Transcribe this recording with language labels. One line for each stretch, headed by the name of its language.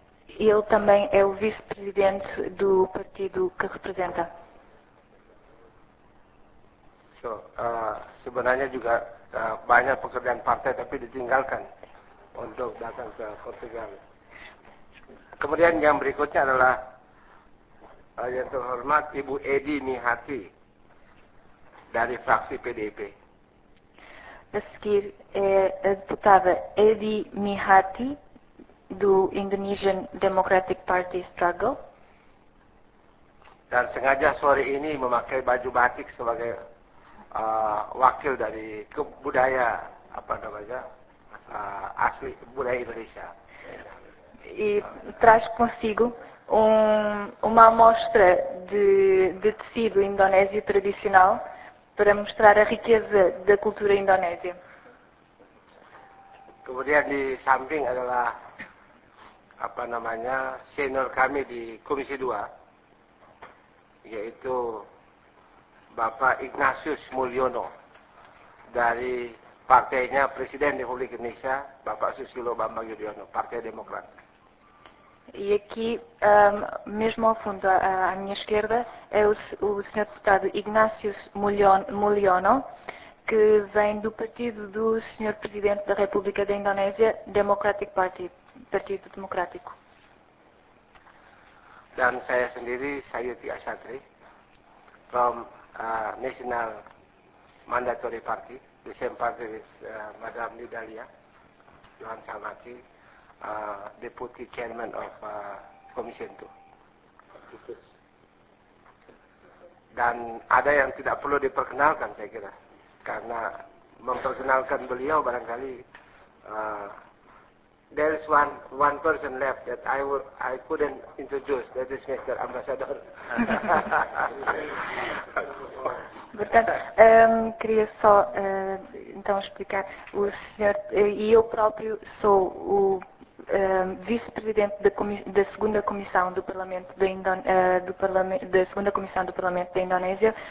Portuguese: Ele também é o vice-presidente do partido que representa.
Indonesian: So, sebenarnya juga banyak pekerjaan partai tapi ditinggalkan untuk datang ke Portugal. Kemudian yang berikutnya adalah yang terhormat Ibu Edi Mihati dari fraksi PDIP.
Portuguese: A seguir é a deputada Edi Mihati, do Indonesian Democratic Party Struggle.
Indonesian: Dan sengaja sore ini memakai baju batik sebagai wakil dari kebudaya apa namanya asli budaya Indonesia.
Portuguese: E traz consigo uma amostra de tecido indonésio tradicional para mostrar a riqueza da cultura indonésia.
Indonesian: Kemudian di samping adalah apa namanya senior kami di Komisi 2 yaitu Bapak Ignatius Mulyono dari partainya Presiden Republik Indonesia Bapak Susilo Bambang Yudhoyono, Partai Demokrat.
Portuguese: E aqui, mesmo ao fundo, à minha esquerda, é o Sr. Deputado Ignatius Mulyono, que vem do partido do Sr. Presidente da República da Indonésia, Democratic Party, Partido Democrático.
Indonesian: Dan saya sendiri,
English: Sayuti Asyatri, from National Mandatory Party, the same party with Madam Nidalia, Johan Samati, Deputy Chairman of Commission 2.
Indonesian: Dan ada yang tidak perlu diperkenalkan, saya kira. Karena memperkenalkan beliau barangkali
English: there is one person left that I couldn't introduce, that is Mr. Ambassador.
Portuguese: Portanto, queria só então explicar o senhor e eu próprio sou o vice-presidente da segunda comissão do Parlamento da Indonésia.